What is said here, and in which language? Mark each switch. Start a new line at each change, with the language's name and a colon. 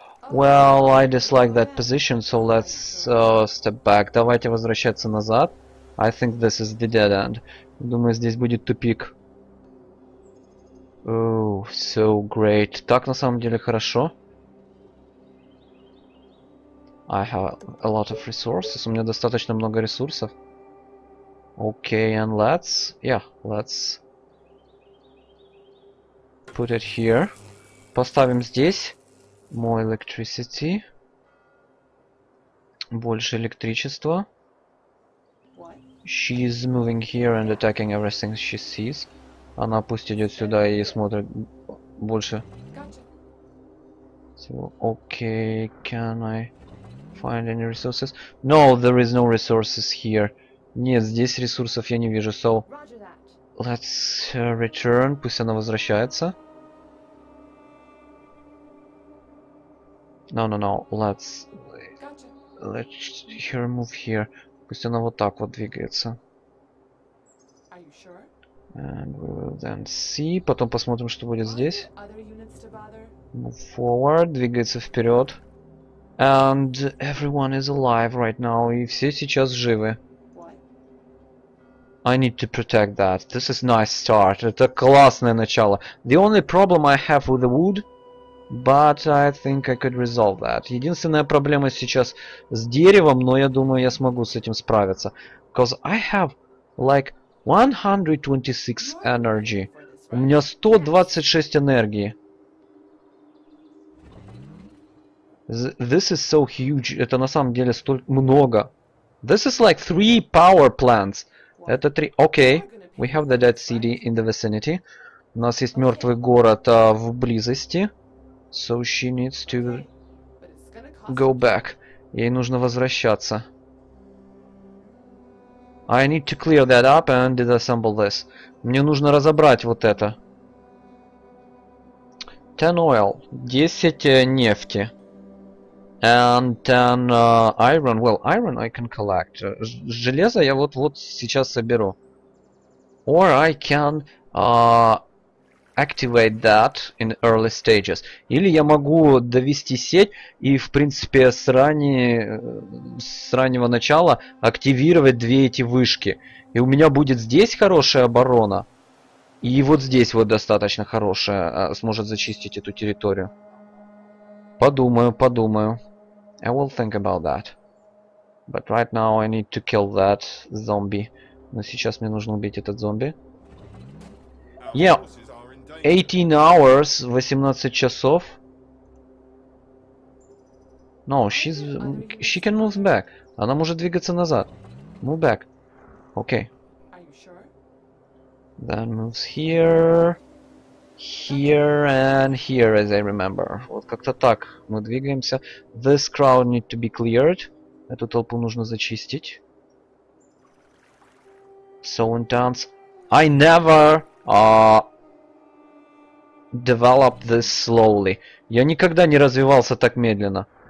English: Well, I dislike that position, so let's step back.
Russian: Давайте возвращаться назад.
English: I think this is the dead end.
Russian: Думаю, здесь будет тупик.
English: Oh, so great.
Russian: Так на самом деле хорошо.
English: I have a lot of resources.
Russian: У меня достаточно много ресурсов.
English: Okay, and let's... Yeah, let's... Put it here.
Russian: Поставим здесь.
English: More electricity.
Russian: больше электричества.
English: What? She is moving here and attacking everything she sees.
Russian: Она пусть идет сюда и смотрит больше.
English: So, okay, can I find any resources? No, there is no resources here.
Russian: Нет, здесь ресурсов я не вижу.
English: So, let's return.
Russian: Пусть она возвращается.
English: No, no, no. Let's her move here.
Russian: Пусть она вот так вот двигается.
English: Are you sure? And we will then see.
Russian: Потом посмотрим, что будет здесь.
English: Move forward.
Russian: Двигается вперед.
English: And everyone is alive right now.
Russian: И все сейчас живы.
English: I need to protect that. This is nice start.
Russian: Это классное начало.
English: The only problem I have with the wood, but I think I could resolve that.
Russian: Единственная проблема сейчас с деревом, но я думаю, я смогу с этим справиться.
English: Because I have like 126 energy.
Russian: У меня 126 энергии.
English: This is so huge.
Russian: Это на самом деле столь много.
English: This is like 3 power plants.
Russian: Это три. Окей.
English: We have the dead city in the vicinity.
Russian: У нас есть мертвый город в близости.
English: So she needs to go back.
Russian: Ей нужно возвращаться.
English: I need to clear that up and disassemble this.
Russian: Мне нужно разобрать вот это.
English: 10 oil.
Russian: 10 нефти.
English: And then iron. Well, iron I can collect.
Russian: Железо я вот-вот сейчас соберу.
English: Or I can activate that in early stages.
Russian: Или я могу довести сеть и, в принципе, с раннего начала активировать две эти вышки. И у меня будет здесь хорошая оборона. И вот здесь вот достаточно хорошая сможет зачистить эту территорию. Подумаю.
English: I will think about that. But right now I need to kill that zombie.
Russian: Но сейчас мне нужно убить этот зомби.
English: Yeah. 18 hours,
Russian: 18 часов.
English: No, she can move back.
Russian: Она может двигаться назад.
English: Move back. Okay. Then moves here and here, as I remember.
Russian: Вот как-то так мы двигаемся.
English: This crowd need to be cleared.
Russian: Эту толпу нужно зачистить.
English: So intense. I never develop this slowly.
Russian: Я никогда не развивался так медленно.